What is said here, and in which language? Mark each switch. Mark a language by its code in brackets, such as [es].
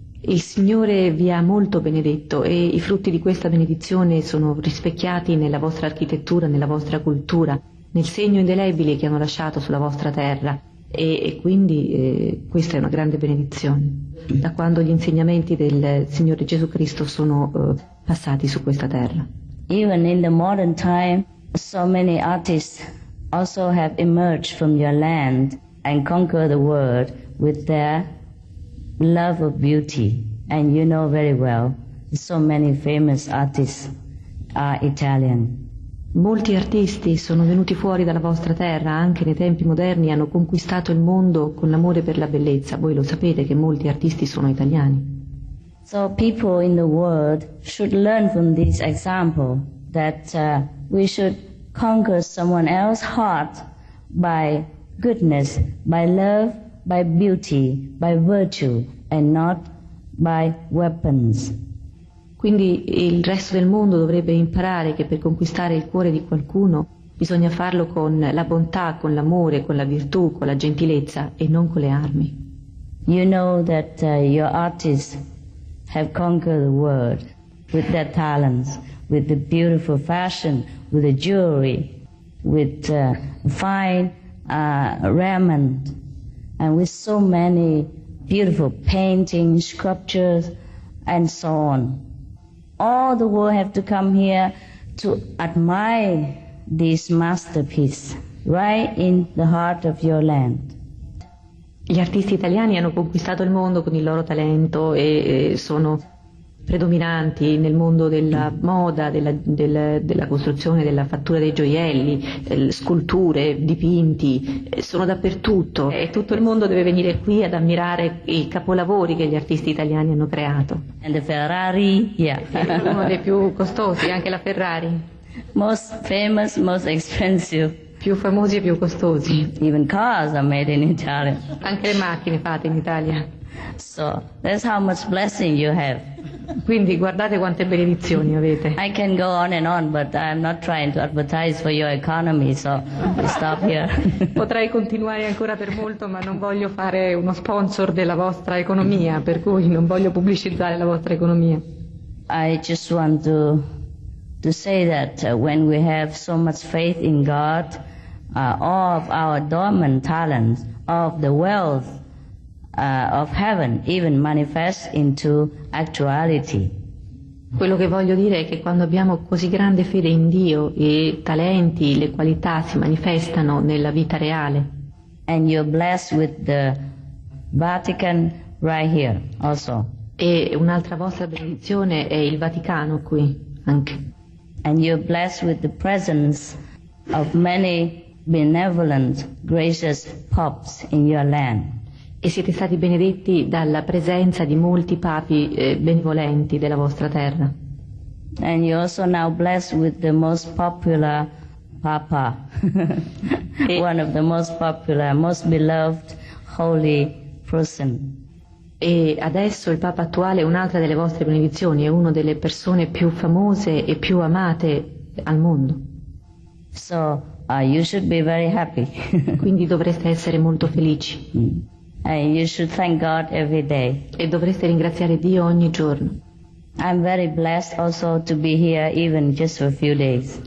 [it] Il Signore vi ha molto benedetto e i frutti di questa benedizione sono rispecchiati nella vostra architettura, nella vostra cultura, nel segno indelebile che hanno lasciato sulla vostra terra. E quindi questa è una grande benedizione, da quando gli insegnamenti del Signore Gesù Cristo sono passati su questa terra. [en] Even in the modern time, so many artists also have emerged from your land and conquered the world with their love of beauty, and you know very well, so many famous artists are Italian. [it] Molti artisti sono venuti fuori dalla vostra terra, anche nei tempi moderni, hanno conquistato il mondo con l'amore per la bellezza. Voi lo sapete che molti artisti sono italiani. [en] So people in the world should learn from this example that we should conquer someone else's heart by goodness, by love, by beauty, by virtue, and not by weapons. [it] Quindi il resto del mondo dovrebbe imparare che per conquistare il cuore di qualcuno bisogna farlo con la bontà, con l'amore, con la virtù, con la gentilezza e non con le armi. [en] You know that your artists have conquered the world with their talents, with the beautiful fashion, with the jewelry, with fine raiment, and with so many beautiful paintings, sculptures, and so on. All the world have to come here to admire this masterpiece right in the heart of your land. [it] Gli artisti italiani hanno conquistato il mondo con il loro talento e sono predominanti nel mondo della moda, della costruzione, della fattura dei gioielli, sculture, dipinti, sono dappertutto e tutto il mondo deve venire qui ad ammirare i capolavori che gli artisti italiani hanno creato. [en] And the Ferrari, yeah. [it] Uno dei più costosi, anche la Ferrari. [en] Most famous, most expensive. [it] Più famosi e più costosi. [en] Even cars are made in Italy. [it] Anche le macchine fatte in Italia. [en] So, that's how much blessing you have. [it] Quindi guardate quante benedizioni avete. [en] I can go on and on, but I'm not trying to advertise for your economy, so stop here. [it] Potrei continuare ancora per molto, ma non voglio fare uno sponsor della vostra economia, per cui non voglio pubblicizzare la vostra economia. [en] I just want to say that when we have so much faith in God, all of our dormant talents, all of the wealth of heaven even manifest into actuality. [it] Quello che voglio dire è che quando abbiamo così grande fede in Dio, i talenti, le qualità si manifestano nella vita reale. [en] And you're blessed with the Vatican right here also. [it] E un'altra vostra benedizione è il Vaticano qui anche. [en] And you're blessed with the presence of many benevolent, gracious popes in your land. [it] E siete stati benedetti dalla presenza di molti papi benevolenti della vostra terra. [en] And you're also now blessed with the most popular papa, one of the most popular, most beloved, holy person. [it] E adesso il papa attuale è un'altra delle vostre benedizioni, è una delle persone più famose e più amate al mondo. [en] So you should be very happy. [it] Quindi dovreste essere molto felici. [en] And you should thank God every day. [it] E dovreste ringraziare Dio ogni giorno. [en] I'm very blessed also to be here even just for a few days.